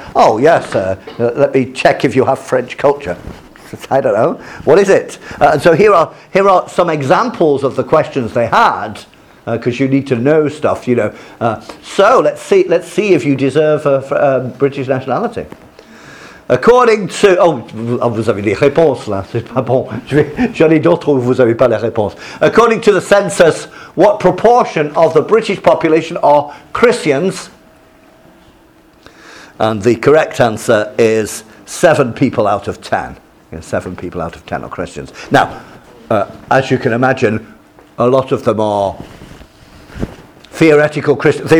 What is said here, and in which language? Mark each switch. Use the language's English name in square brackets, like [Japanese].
[English] Oh yes, let me check if you have French culture. I don't know. What is it? And so here are some examples of the questions they had, because you need to know stuff, you know. So let's see if you deserve a British nationality. According to [French] vous avez des réponses là, c'est pas bon. J'en ai d'autres où vous avez pas les réponses. [English] According to the census, what proportion of the British population are Christians? And the correct answer is 7 people out of 10. You know, 7 people out of 10 are Christians. Now, as you can imagine, a lot of them are theoretical Christians.